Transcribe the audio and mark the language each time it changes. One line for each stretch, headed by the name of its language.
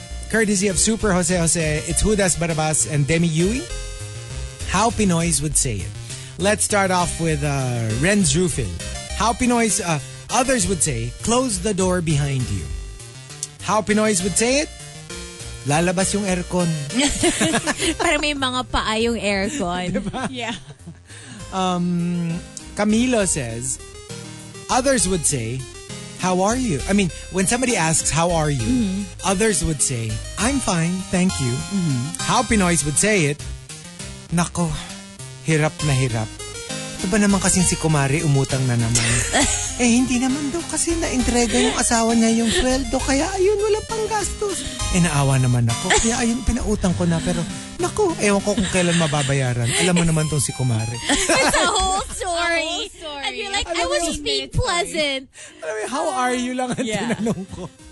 English: Courtesy of Super Jose Jose, it's Judas Barabas and Demi Yui. How Pinoys Would Say It. Let's start off with Renz Rufin. How Pinoys, others would say, close the door behind you. How Pinoys Would Say It.
Filipino: lalabas yung aircon. Parang may mga paa yung aircon. Diba?
English: Yeah. Camilo says, others would say, how are you? I mean, when somebody asks, how are you? Mm-hmm. Others would say, I'm fine, thank you. Mm-hmm. How Pinoys would say it,
Filipino: nako, hirap na hirap. Ito ba naman kasing si Kumari umutang na naman? Eh, hindi naman daw kasi na-entrega yung asawa niya yung sweldo. Kaya ayun, wala pang gastos. Eh, naawa naman ako. Kaya ayun, pinautang ko na. Pero, naku, ewan ko kung kailan mababayaran. Alam mo naman tong si Kumari.
English: It's a whole story. And you're like, alam, I was just being pleasant.
Filipino: Alam,
English: how are you
Filipino: lang ang tinanong ko.